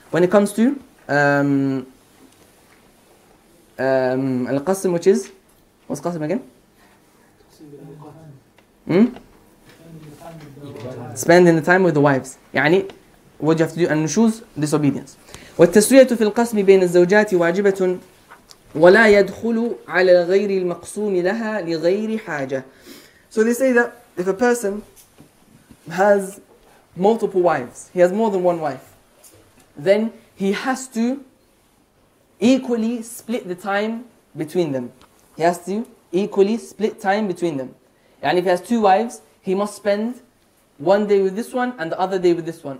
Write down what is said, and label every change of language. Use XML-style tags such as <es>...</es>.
<en>When it comes to al qasm, which is, what's qasm again? Spending the time with the wives. يعني, what you have to do, and shoes, disobedience.</en> <ar>والتسوية في القسم بين الزوجات واجبة ولا يدخل على غير المقسوم لها لغير حاجة.</ar> <en>So they say that if a person has multiple wives, he has more than one wife, then he has to equally split the time between them. He has to equally split time between them. And if he has two wives, he must spend one day with this one and the other day with this one.</en>